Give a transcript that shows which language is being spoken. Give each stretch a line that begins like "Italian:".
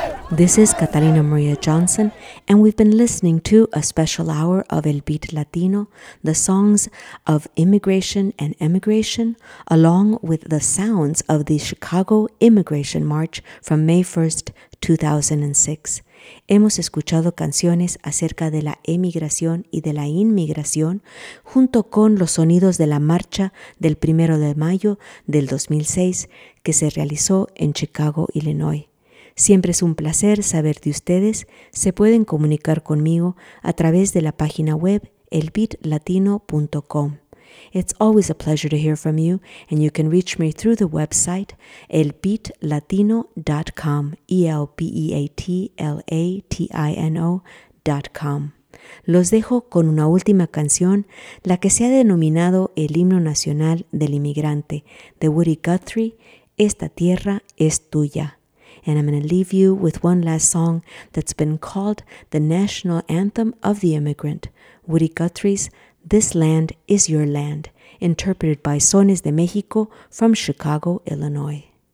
English: This is Catalina Maria Johnson, and we've been listening to a special hour of El Beat Latino, the songs of immigration and emigration, along with the sounds of the Chicago Immigration March from May 1st, 2006.
Spanish: Hemos escuchado canciones acerca de la emigración y de la inmigración, junto con los sonidos de la marcha del 1 de mayo del 2006, que se realizó en Chicago, Illinois. Siempre es un placer saber de ustedes. Se pueden comunicar conmigo a través de la página web elbeatlatino.com.
English: It's always a pleasure to hear from you, and you can reach me through the website elbeatlatino.com, elbeatlatino.com.
Spanish: Los dejo con una última canción, la que se ha denominado el himno nacional del inmigrante, de Woody Guthrie, Esta tierra es tuya.
English: And I'm going to leave you with one last song that's been called the National Anthem of the Immigrant, Woody Guthrie's This Land Is Your Land, interpreted by Sones de México from Chicago, Illinois.